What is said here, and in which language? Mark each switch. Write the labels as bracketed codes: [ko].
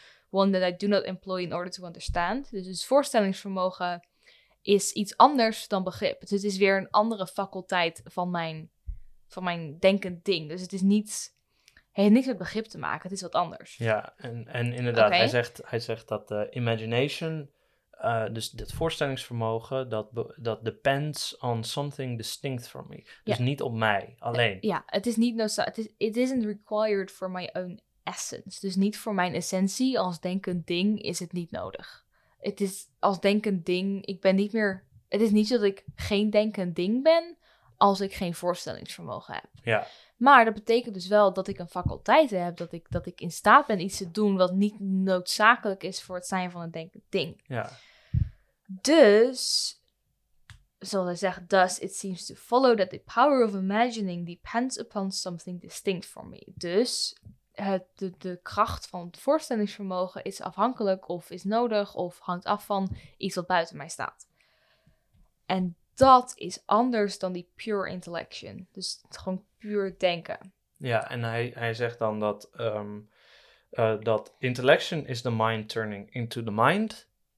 [en] One that I do not employ in order to understand. [nl] Dus het voorstellingsvermogen... is iets anders dan begrip. Dus het is weer een andere faculteit van mijn denkend ding. Dus het is niet, het heeft niks met begrip te maken. Het is wat anders. Ja, en inderdaad, okay. hij zegt dat de imagination, dus het voorstellingsvermogen, dat [en] depends on something distinct from me. [nl] Dus ja. Niet op mij alleen. Ja, het is niet [en] it isn't required for my own essence. [nl] Dus niet voor mijn essentie als denkend ding is het niet nodig. Het is als denkend ding, ik ben niet meer... Het is niet zo dat ik geen denkend ding ben als ik geen voorstellingsvermogen heb. Ja. Maar dat betekent dus wel dat ik een faculteit heb, dat ik in staat ben iets te doen wat niet noodzakelijk is voor het zijn van een denkend ding. Ja. Dus, zoals hij zegt, [en] thus it seems to follow that the power of imagining depends upon something distinct from me. [nl] Dus... De kracht van het voorstellingsvermogen is afhankelijk of is nodig of hangt af van iets wat buiten mij staat. En dat is anders dan die pure intellection. Dus gewoon puur denken. Ja, en hij zegt dan dat dat [en] intellection is the mind turning into the mind.